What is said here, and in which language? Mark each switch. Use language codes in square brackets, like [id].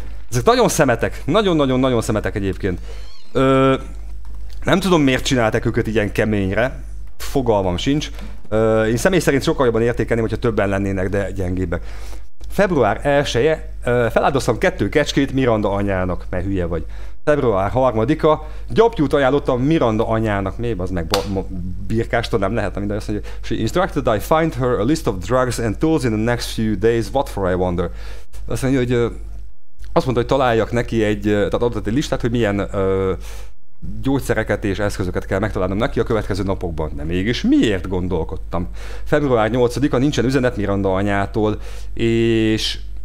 [hu] Ezek nagyon szemetek. Nagyon-nagyon-nagyon szemetek egyébként. Nem tudom, miért csinálták őket ilyen keményre. Fogalmam sincs. Én személy szerint sokkal jobban értékelném, hogyha többen lennének, de gyengébbek. Február 1-e, feláldoztam 2 kecskét Miranda anyának, mert hülye vagy. Február 3-a, gyapjút ajánlottam Miranda anyának. Miért az meg birkást, nem lehet, amit azt mondja. [en] She instructed I find her a list of drugs and tools in the next few days, what for I wonder. [hu] Azt mondja, hogy azt mondta, hogy találjak neki egy, tehát adott egy listát, hogy milyen gyógyszereket és eszközöket kell megtalálnom neki a következő napokban. De mégis miért gondolkodtam? Február 8-a, nincsen üzenet Miranda anyától, és...